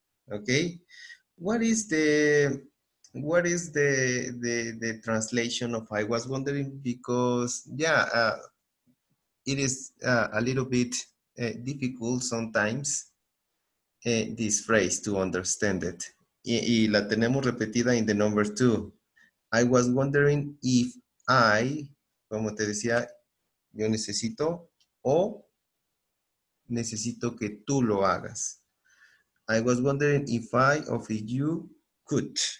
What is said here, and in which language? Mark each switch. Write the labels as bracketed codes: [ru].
[en] Okay, what is the translation of I was wondering? Because yeah, it is a little bit difficult sometimes, this phrase, to understand it. [es] Y la tenemos repetida [en] in the number two. I was wondering if I, [es] como te decía, yo necesito, o necesito que tú lo hagas. [en] I was wondering if I or if you could.